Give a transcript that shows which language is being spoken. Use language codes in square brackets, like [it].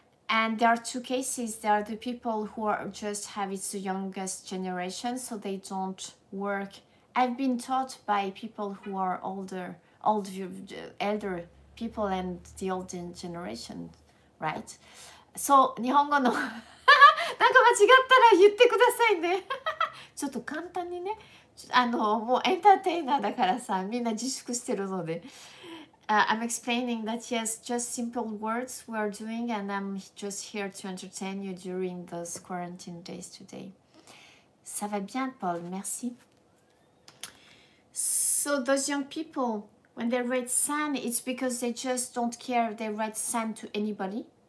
[en] And there are two cases. There are the people who are just have, it's the youngest generation, so they don't work. I've been taught by people who are elder people and the older generation, right? [ja] So, 日本語の、なんか間違ったら言ってくださいね。ちょっと簡単にね、あの、もうエンターテイナーだからさ、みんな自粛してるので。 [en] I'm explaining that, yes, just simple words we are doing, and I'm just here to entertain you during those quarantine days today. [fr] Ça va bien, Paul, merci. [en] So those young people, when they write San, it's because they just don't care if they write San to anybody.